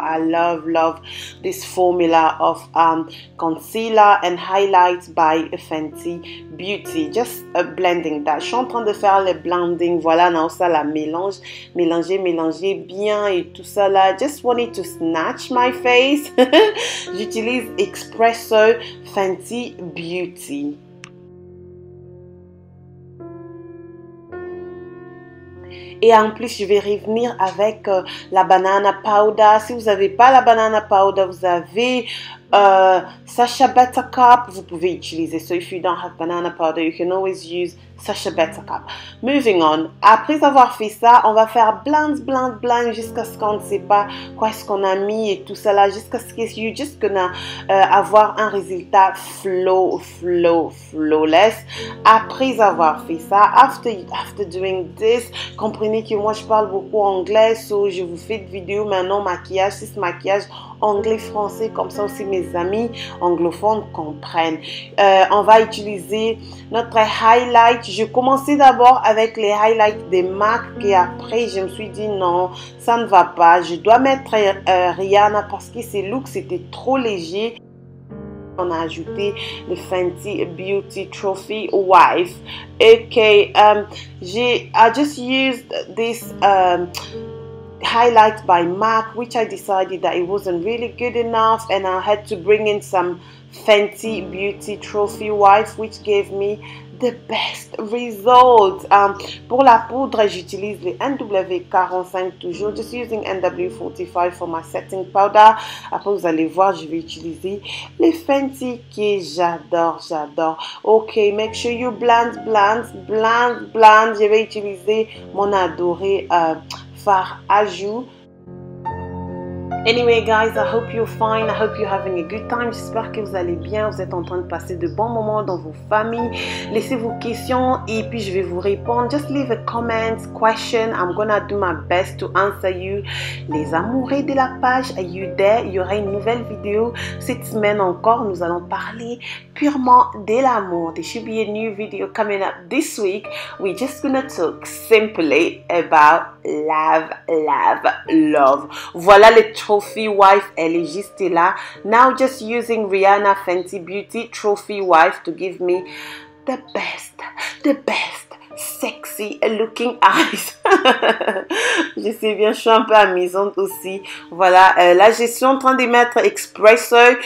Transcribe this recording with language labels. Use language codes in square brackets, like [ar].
[en] I love, love this formula of concealer and highlight by Fenty Beauty. Just blending that. [fr] Je suis en train de faire le blending. Voilà, non, ça la mélange, mélanger, mélanger bien et tout ça là. [en] Just wanted to snatch my face. [fr] J'utilise Expresso Fenty Beauty. Et en plus, je vais revenir avec la banana powder. Si vous n'avez pas la banana powder, vous avez Sasha Better Cup. Vous pouvez utiliser. [en] So if you don't have banana powder, you can always use Sasha Better Cup. Moving on. [fr] Après avoir fait ça, on va faire blend, blend, blend jusqu'à ce qu'on ne sait pas quoi est-ce qu'on a mis et tout ça là, jusqu'à ce que [en] you're just gonna [fr] avoir un résultat flow, flow, flawless. Après avoir fait ça, [en] after doing this, [fr] comprenez que moi je parle beaucoup anglais, so je vous fais des vidéos maintenant maquillage, c'est ce maquillage anglais français, comme ça aussi mes amis anglophones comprennent. On va utiliser notre highlight. Je commençais d'abord avec les highlights des MAC et après je me suis dit non, ça ne va pas, je dois mettre Rihanna parce que ses looks étaient trop légers. On a ajouté le Fenty Beauty Trophy Wife. [en] Ok, I just used this highlight by MAC, which I decided that it wasn't really good enough, and I had to bring in some Fenty Beauty Trophy Wife, which gave me the best result. [fr] Pour la poudre, j'utilise le NW45 toujours, [en] just using NW45 for my setting powder. [fr] Après, vous allez voir, je vais utiliser le Fenty que j'adore, j'adore. [en] Ok, make sure you blend, blend, blend, blend. [fr] Je vais utiliser mon adoré fard à joues. [en] Anyway guys, I hope you're fine, I hope you're having a good time, [fr] j'espère que vous allez bien, vous êtes en train de passer de bons moments dans vos familles. Laissez vos questions et puis je vais vous répondre. [en] Just leave a comment, question, I'm gonna do my best to answer you. [fr] Les amoureux de la page, [en] are you there? [fr] Il y aura une nouvelle vidéo cette semaine encore, nous allons parler purement de l'amour. [en] There should be a new video coming up this week. We're just gonna talk simply about love, love, love. [fr] Voilà le Trophy Wife, elle est juste là. [en] Now just using Rihanna Fenty Beauty Trophy Wife to give me the best sexy looking eyes. [fr] Je sais bien, je suis un peu amusante aussi. Voilà, là je suis en train de mettre Expresso.